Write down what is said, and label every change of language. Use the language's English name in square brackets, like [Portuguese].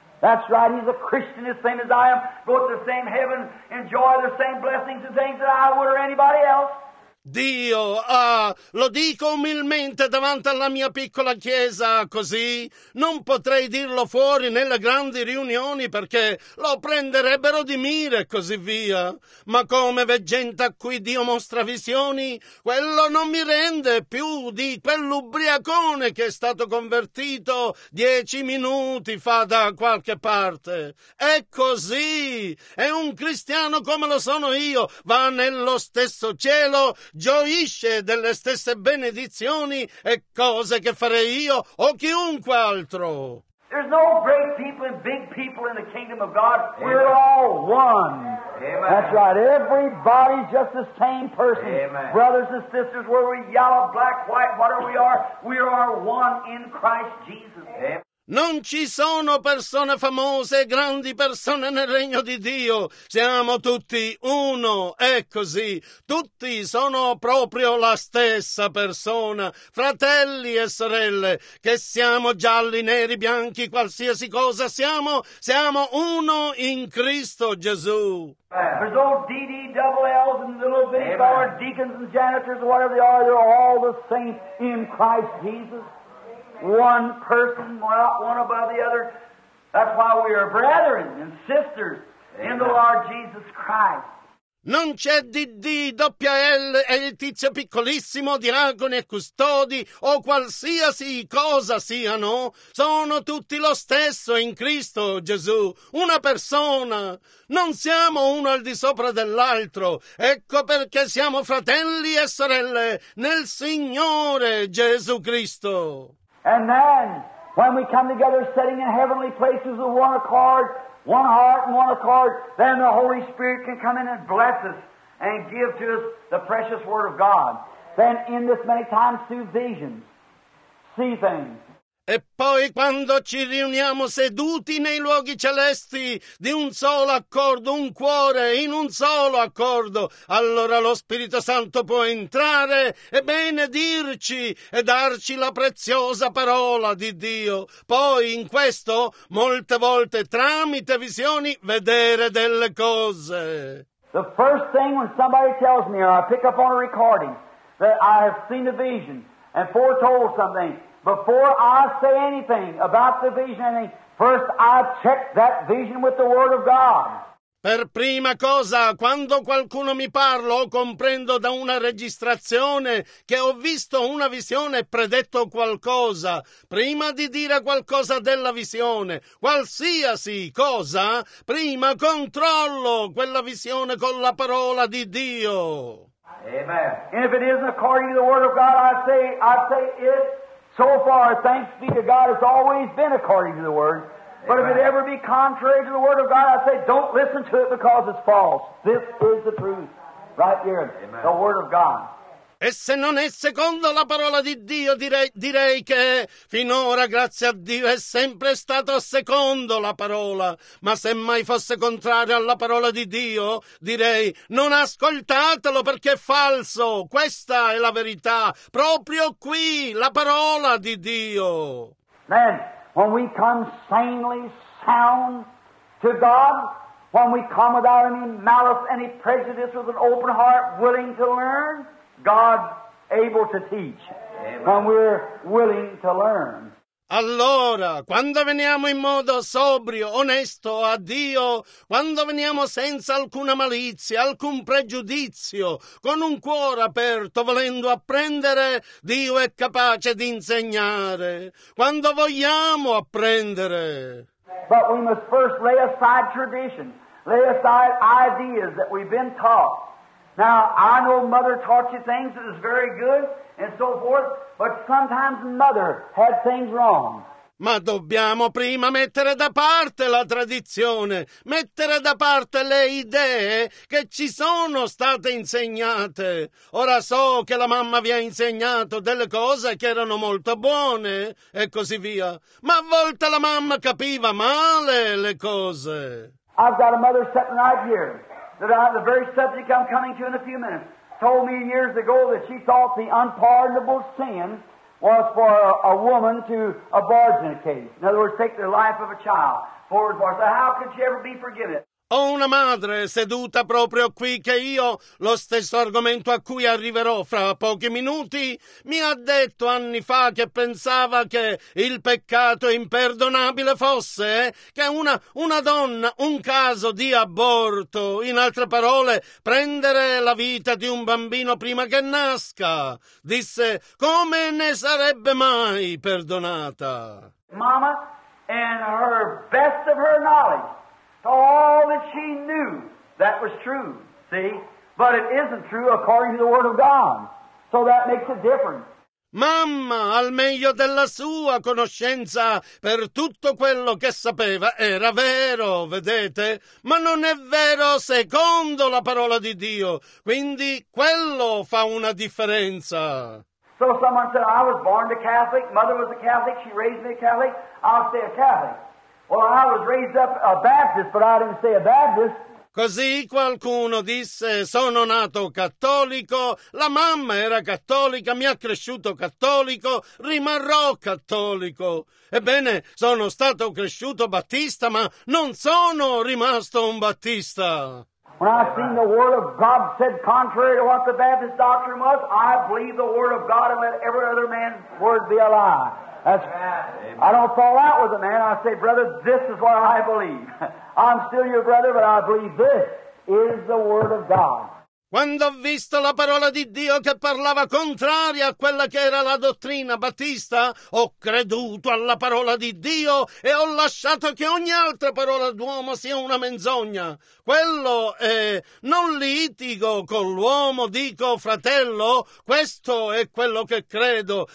[English] That's right, he's a Christian, the same as I am, go to the same heaven, enjoy the same blessings and things that I would or anybody else. [Italian] Dio, lo dico umilmente davanti alla mia piccola chiesa, così non potrei dirlo fuori nelle grandi riunioni perché lo prenderebbero di mira e così via. Ma come veggente a cui Dio mostra visioni, quello non mi rende più di quell'ubriacone che è stato convertito 10 minuti fa da qualche parte. È così, è un cristiano come lo sono io, va nello stesso cielo, gioisce delle stesse benedizioni e cose che farei io o chiunque altro. [English] There's no great people and big people in the kingdom of God. Amen. We're all one. Amen. That's right. Everybody's just the same person. Amen. Brothers and sisters, whether we're yellow, black, white, whatever we are one in Christ Jesus. Amen. [Italian] Non ci sono persone famose e grandi persone nel regno di Dio. Siamo tutti uno, è così. Tutti sono proprio la stessa persona. Fratelli e sorelle, che siamo gialli, neri, bianchi, qualsiasi cosa siamo, siamo uno in Cristo Gesù. [English] There's old DDLLs and little bitty fellas, deacons and janitors, whatever they are, they're all the saints in Christ Jesus. One person, not one above the other. That's why we are brethren and sisters. Amen. In the Lord Jesus Christ. [Italian] Non c'è DD, doppia L, è il tizio piccolissimo, diaconi e custodi, o qualsiasi cosa siano, sono tutti lo stesso in Cristo Gesù, una persona. Non siamo uno al di sopra dell'altro, ecco perché siamo fratelli e sorelle nel Signore Gesù Cristo. [English] And then, when we come together sitting in heavenly places with one accord, one heart and one accord, then the Holy Spirit can come in and bless us and give to us the precious Word of God. than in this many times through visions, see things. [Italian] E poi quando ci riuniamo seduti nei luoghi celesti di un solo accordo, un cuore in un solo accordo, allora lo Spirito Santo può entrare e benedirci e darci la preziosa parola di Dio. Poi in questo, molte volte tramite visioni, vedere delle cose. [English] The first thing when somebody tells me, or I pick up on a recording, that I have seen a vision and foretold something, before I say anything about the vision, first I check that vision with the Word of God. [Italian] Per prima cosa, quando qualcuno mi parla o comprendo da una registrazione che ho visto una visione e predetto qualcosa, prima di dire qualcosa della visione, qualsiasi cosa, prima controllo quella visione con la parola di Dio. [English] Amen. And if it isn't according to the Word of God, I say it. So far, thanks be to God, it's always been according to the Word. But Amen. If it ever be contrary to the Word of God, I say, don't listen to it because it's false. This is the truth. Right here, Amen. The Word of God. [Italian] E se non è secondo la parola di Dio, direi che finora, grazie a Dio, è sempre stato secondo la parola. Ma se mai fosse contrario alla parola di Dio, direi, non ascoltatelo perché è falso. Questa è la verità, proprio qui, la parola di Dio. [English] Then, when we come sanely sound to God, when we come without any malice, any prejudice, with an open heart, willing to learn, God able to teach, Amen. When we're willing to learn. [Italian] Allora, quando veniamo in modo sobrio, onesto a Dio, quando veniamo senza alcuna malizia, alcun pregiudizio, con un cuore aperto, volendo apprendere, Dio è capace di insegnare. Quando vogliamo apprendere. [English] But we must first lay aside tradition, lay aside ideas that we've been taught. Now, I know mother taught you things that is very good and so forth, but sometimes mother had things wrong. [Italian] Ma dobbiamo prima mettere da parte la tradizione, mettere da parte le idee che ci sono state insegnate. Ora so che la mamma vi ha insegnato delle cose che erano molto buone e così via, ma a volte la mamma capiva male le cose. [English] I've got a mother sitting right here. That the very subject I'm coming to in a few minutes told me years ago that she thought the unpardonable sin was for a woman to abort in a case. In other words, take the life of a child for abortion. So how could she ever be forgiven? [Italian] Ho una madre seduta proprio qui che io, lo stesso argomento a cui arriverò fra pochi minuti, mi ha detto anni fa che pensava che il peccato imperdonabile fosse che una donna, un caso di aborto, in altre parole, prendere la vita di un bambino prima che nasca, disse, come ne sarebbe mai perdonata? [English] Mama, and her best of her knowledge. So all that she knew, that was true, see? But it isn't true according to the Word of God. So that makes a difference. [Italian] Mamma, al meglio della sua conoscenza, per tutto quello che sapeva, era vero, vedete? Ma non è vero secondo la parola di Dio. Quindi quello fa una differenza. [English] So someone said, I was born a Catholic, mother was a Catholic, she raised me a Catholic, I'll stay a Catholic. Well, I was raised up a Baptist, but I didn't say a Baptist. [Italian] Così qualcuno disse, sono nato cattolico, la mamma era cattolica, mi ha cresciuto cattolico, rimarrò cattolico. Ebbene, sono stato cresciuto battista, ma non sono rimasto un battista. [English] When I seen the Word of God said contrary to what the Baptist doctrine was, I believe the Word of God and let every other man's word be a lie. That's, Amen. I don't fall out with a man. I say, brother, this is what I believe. I'm still your brother, but I believe this is the Word of God. [Italian] Quando ho visto la parola di Dio che parlava contraria a quella che era la dottrina battista, ho creduto alla parola di Dio e ho lasciato che ogni altra parola d'uomo sia una menzogna. Quello è, non litigo con l'uomo, dico, fratello, questo è quello che credo.